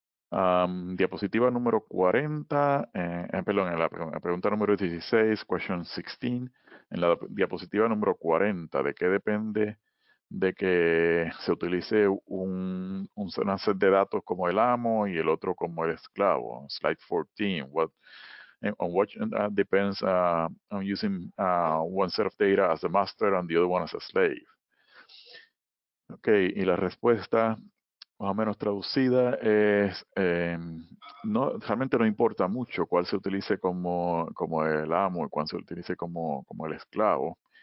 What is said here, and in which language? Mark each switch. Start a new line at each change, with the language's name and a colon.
Spanish: Diapositiva número 40, la pregunta número 16,
English: question 16,
Spanish: en la diapositiva número 40, ¿de qué depende de que se utilice un set de datos como el amo y el otro como el esclavo?
English: Slide 14. What on which depends on using one set of data as the master and the other one as a slave.
Spanish: Okay, y la respuesta más o menos traducida es, no, realmente no importa mucho cuál se utilice como, como el amo y cuál se utilice como, como el esclavo.